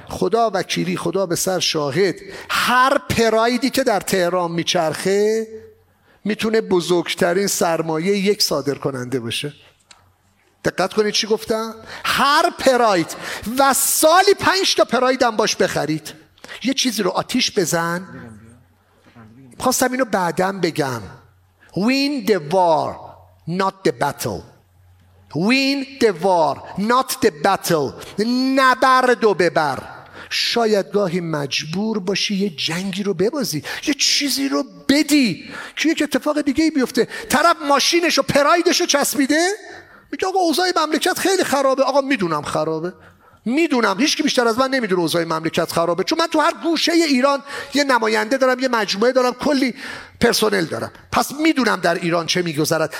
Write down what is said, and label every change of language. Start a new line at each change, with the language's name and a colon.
Persian: خدا وکیلی، خدا به سر شاهد، هر پرایدی که در تهران میچرخه میتونه بزرگترین سرمایه یک صادر کننده باشه. دقت کنید چی گفتم؟ هر پراید، و سالی 5 تا پراید هم باش بخرید، یه چیزی رو آتیش بزن. خواستم اینو بعدم بگم.
English: Win the war, not the battle. Win the war, not the battle.
Persian: نبرد و ببر. شاید گاهی مجبور باشی یه جنگی رو ببازی، یه چیزی رو بدی که یک اتفاق دیگه بیفته. طرف ماشینشو، پرایدشو چسبیده، میگه آقا اوضاع مملکت خیلی خرابه. آقا میدونم خرابه، میدونم، هیچ کی بیشتر از من نمیدونه اوضاع مملکت خرابه، چون من تو هر گوشه ایران یه نماینده دارم، یه مجموعه دارم، کلی پرسنل دارم، پس میدونم در ایران چه میگذرد.